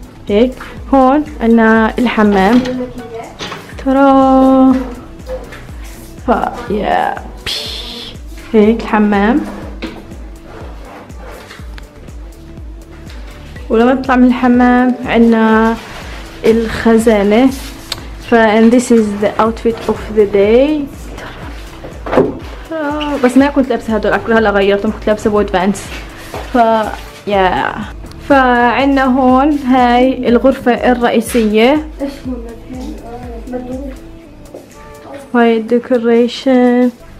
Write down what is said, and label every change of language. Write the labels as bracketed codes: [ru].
[ar] هيك هون عنا الحمام. ترى فا يا بي. هيك الحمام ولما نطلع من الحمام عنا الخزانة. [en] فا and this is the outfit of the day. [ar] ترى بس ما كنت لابسة هدول أكلها هلا غيرتهم كنت لابسة بود فانس. فا يا فعنا هون هاي الغرفة الرئيسية. هاي الديكوريشن.